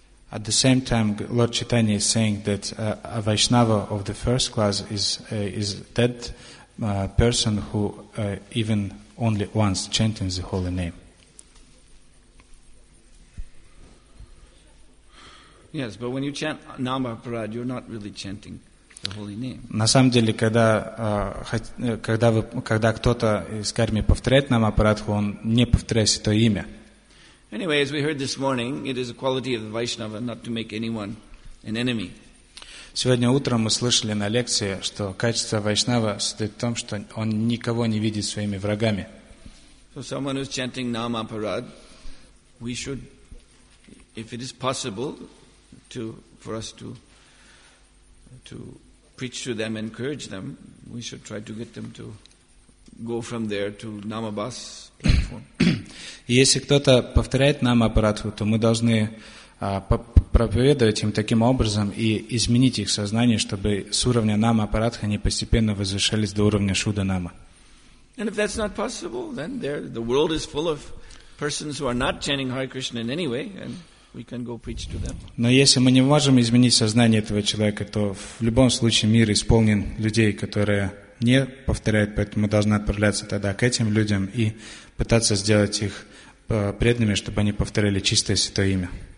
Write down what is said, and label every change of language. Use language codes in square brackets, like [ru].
[en] at the same time Lord Chaitanya is saying that a Vaishnava of the first class is that person who even only once chanting the holy name. Yes, but when you chant Nama Parad, you're not really chanting the holy name. [ru] На самом деле, когда кто-то из карми повторяет Нама Парад, он не повторяет это имя. [en] Anyway, as we heard this morning, it is a quality of the Vaishnava not to make anyone an enemy. [ru] Сегодня утром мы слышали на лекции, что качество Вайшнава состоит в том, что он никого не видит своими врагами. [en] So someone who's chanting Nama Parad, we should, if it is possible, for us to preach to them, encourage them, we should try to get them to go from there to Namabas platform. [ru] Если кто-то повторяет Намапарадху, то мы должны проповедовать им таким образом и изменить их сознание, чтобы с уровня Намапарадха они постепенно возвышались до уровня Шуданама. [en] And if that's not possible, then there the world is full of persons who are not chanting Hare Krishna in any way, and we can go preach to them. [ru] Но если мы не можем изменить сознание этого человека, то в любом случае мир исполнен людей, которые не повторяют, поэтому мы должны отправляться тогда к этим людям и пытаться сделать их преданными, чтобы они повторяли чистое святое имя.